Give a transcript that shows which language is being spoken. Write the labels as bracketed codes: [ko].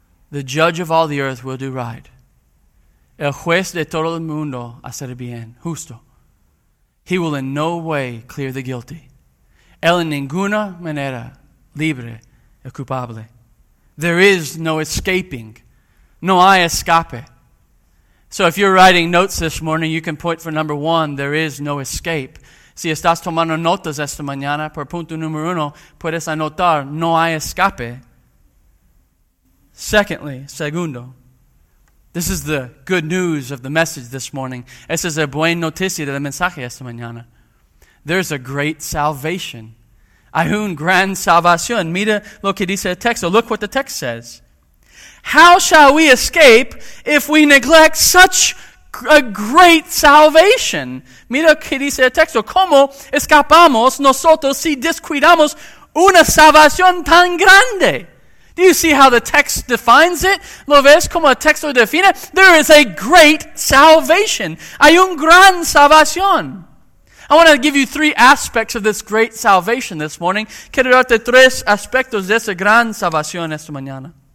[en] The judge of all the earth will do right. [es] El juez de todo el mundo hacer bien. Justo. [en] He will in no way clear the guilty. [es] El en ninguna manera libre el culpable. [en] There is no escaping. [es] No hay escape. [en] So if you're writing notes this morning, you can point for number one, there is no escape. [es] Si estás tomando notas esta mañana, por punto número uno, puedes anotar, no hay escape. [en] Secondly, segundo, this is the good news of the message this morning. [es] Esa es la buena noticia del mensaje esta mañana. [en] There's a great salvation. [es] Hay un gran salvación. Mira lo que dice el texto. [en] Look what the text says. How shall we escape if we neglect such a great salvation? [es] Mira que dice el texto. ¿Cómo escapamos nosotros si descuidamos una salvación tan grande? [en] Do you see how the text defines it? [es] ¿Lo ves como el texto define? [en] There is a great salvation. [es] Hay un gran salvación. [en] I want to give you three aspects of this great salvation this morning. [es] Quiero darte tres aspectos de esa gran salvación esta mañana.